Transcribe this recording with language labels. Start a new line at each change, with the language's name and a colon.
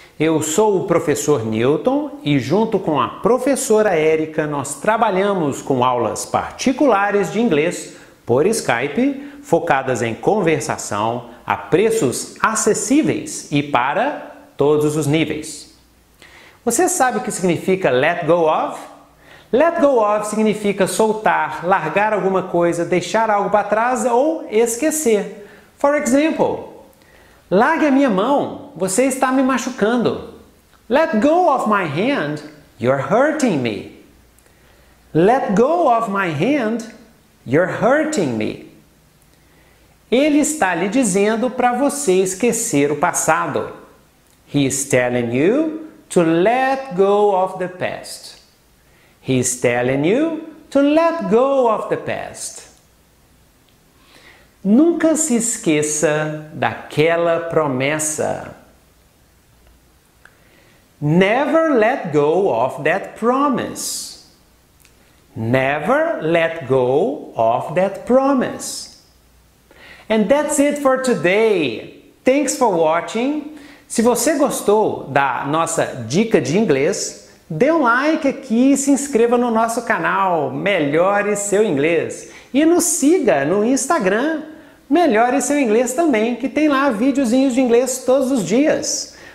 Portuguese: Eu sou o professor Newton e junto com a professora Erika nós trabalhamos com aulas particulares de inglês por Skype, focadas em conversação a preços acessíveis e para todos os níveis. Você sabe o que significa let go of? Let go of significa soltar, largar alguma coisa, deixar algo para trás ou esquecer.
English: For example,
Portuguese: largue a minha mão, você está me machucando.
English: Let go of my hand, you're hurting me. Let go of my hand, you're hurting me.
Portuguese: Ele está lhe dizendo para você esquecer o passado.
English: He is telling you to let go of the past. He is telling you to let go of the past.
Portuguese: Nunca se esqueça daquela promessa.
English: Never let go of that promise. Never let go of that promise. And that's it for today. Thanks for watching.
Portuguese: Se você gostou da nossa dica de inglês, dê um like aqui e se inscreva no nosso canal Melhore Seu Inglês. E nos siga no Instagram Melhore Seu Inglês também, que tem lá videozinhos de inglês todos os dias.